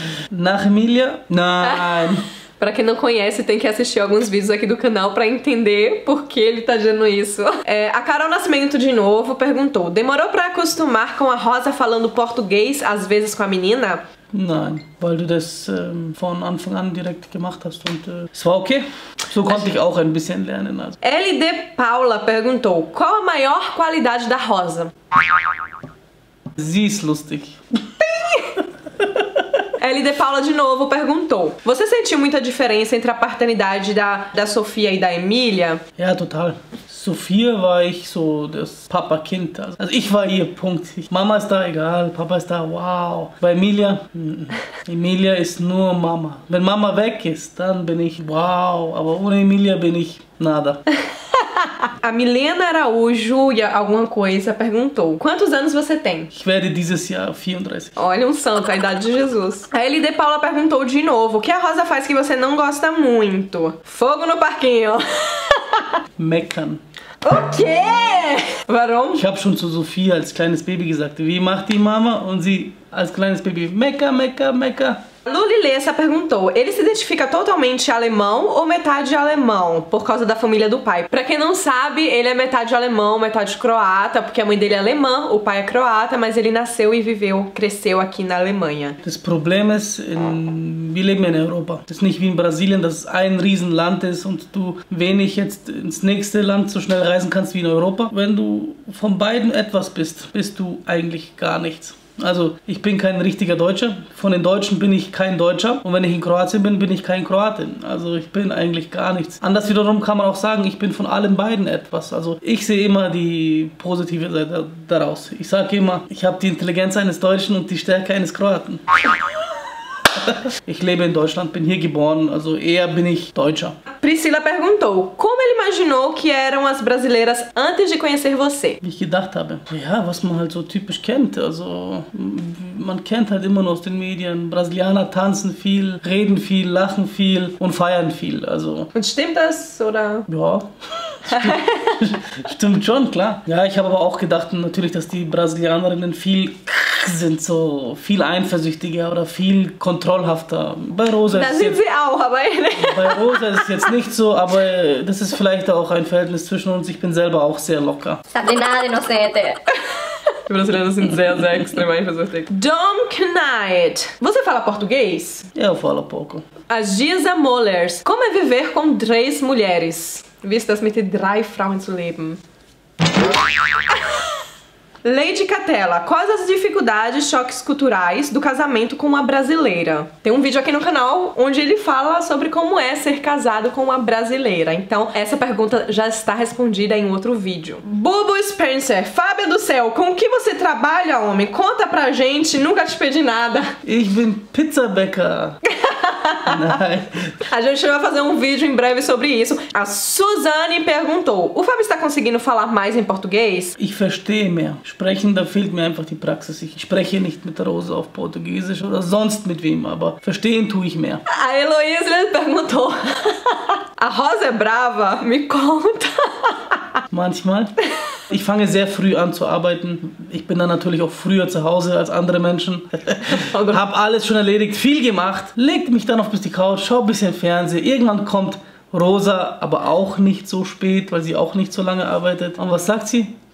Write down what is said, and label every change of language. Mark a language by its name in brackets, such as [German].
[Portuguese] Narmilha? Não. Pra quem não conhece, tem que assistir alguns vídeos aqui do canal pra entender por que ele tá dizendo isso. É, a Carol Nascimento, de novo, perguntou: demorou pra acostumar com a Rosa falando português, às vezes, com a menina? [German] Nein, weil du das von Anfang an direkt gemacht hast und es war okay. So konnte ich auch ein bisschen lernen. Also. [Portuguese] LD Paula perguntou: qual a maior qualidade da Rosa? [German] Sie ist lustig. [Portuguese] LD Paula de novo perguntou: você sentiu muita diferença entre a paternidade da Sofia e da Emília? [German] Ja, total. Sofia war ich so das Papa-Kind. Also ich war ihr Punkt. Mama ist da egal, Papa ist da, wow. Bei Emilia, Emilia ist nur Mama. Wenn Mama weg ist, dann bin ich wow. Aber ohne Emilia bin ich [Portuguese] nada. A Milena Araújo, alguma coisa, perguntou: quantos anos você tem? [German] Ich werde dieses Jahr 34. [Portuguese] Olha, um santo, a idade de Jesus. A LD Paula perguntou de novo: o que a Rosa faz que você não gosta muito? Fogo no parquinho. [German] Meckern. [Portuguese] O quê? [German] Warum? Ich habe schon zu Sophia als kleines Baby gesagt, wie macht die Mama? Und sie als kleines Baby, mecker, mecker, mecker. [Portuguese] Luli Lessa perguntou: ele se identifica totalmente alemão ou metade alemão por causa da família do pai? Pra quem não sabe, ele é metade alemão, metade croata, porque a mãe dele é alemã, o pai é croata, mas ele nasceu e viveu, cresceu aqui na Alemanha. [German] Das Problem ist, wir leben in Europa. Das ist nicht wie in Brasilien, das ein Riesenland ist und du wenig jetzt ins nächste Land so schnell reisen kannst wie in Europa. Wenn du von beiden etwas bist, bist du eigentlich gar nichts. Also, ich bin kein richtiger Deutscher. Von den Deutschen bin ich kein Deutscher. Und wenn ich in Kroatien bin, bin ich kein Kroatin. Also, ich bin eigentlich gar nichts. Anders wiederum kann man auch sagen, ich bin von allen beiden etwas. Also, ich sehe immer die positive Seite daraus. Ich sage immer, ich habe die Intelligenz eines Deutschen und die Stärke eines Kroaten. Ich lebe in Deutschland, bin hier geboren, also eher bin ich Deutscher. [Portuguese] Priscila perguntou: como ele imaginou que eram as brasileiras antes de conhecer você? [German] Wie ich gedacht habe. Ja, was man halt so typisch kennt. Also, man kennt halt immer nur aus den Medien. Brasilianer tanzen viel, reden viel, lachen viel und feiern viel. Also. Und stimmt das, oder? Ja. Stimmt schon, klar. Ja, ich habe aber auch gedacht, natürlich, dass die Brasilianerinnen viel sind so viel eifersüchtiger oder viel kontrollhafter. Bei Rosa ist sind jetzt, sie auch, aber bei Rosa ist es jetzt nicht so, aber das ist vielleicht auch ein Verhältnis zwischen uns. Ich bin selber auch sehr locker. Die Brasilianer sind sehr, sehr extrem eifersüchtig. [Portuguese] Dom Knight. Você fala português? Eu falo pouco. A Gisa Mollers. Como é viver com três mulheres? [German] Wie ist das mit drei Frauen zu leben? [Portuguese] Lady Catella, quais as dificuldades, choques culturais do casamento com uma brasileira? Tem um vídeo aqui no canal onde ele fala sobre como é ser casado com uma brasileira. Então, essa pergunta já está respondida em outro vídeo. Bubu Spencer, Fábio do céu, com o que você trabalha, homem? Conta pra gente, nunca te pedi nada. [German] Ich bin Pizzabäcker. [Portuguese] A gente vai fazer um vídeo em breve sobre isso. A Suzane perguntou: o Fábio está conseguindo falar mais em português? [German] Ich verstehe mehr. Sprechen, da fehlt mir einfach die Praxis. Ich spreche nicht mit Rosa auf Portugiesisch oder sonst mit wem, aber verstehen tue ich mehr. [Portuguese] A Heloísa perguntou: a Rosa é brava? Me conta. [German] Manchmal. Ich fange sehr früh an zu arbeiten. Ich bin dann natürlich auch früher zu Hause als andere Menschen. Hab alles schon erledigt, viel gemacht. Leg mich dann auf die Couch, schau ein bisschen Fernsehen. Irgendwann kommt Rosa, aber auch nicht so spät, weil sie auch nicht so lange arbeitet. Und was sagt sie?